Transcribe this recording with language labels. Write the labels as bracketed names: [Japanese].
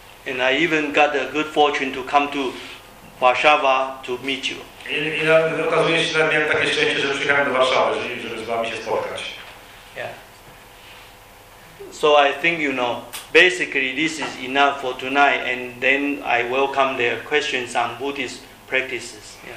[English] And I even got the good fortune to come to Warszawa to meet you. [Polish] I okazuje się, że miałem takie szczęście, że przyjechałem do Warszawy, żeby z wami się spotkać. [English] So I think, you know, basically this is enough for tonight, and then I welcome their questions on Buddhist practices.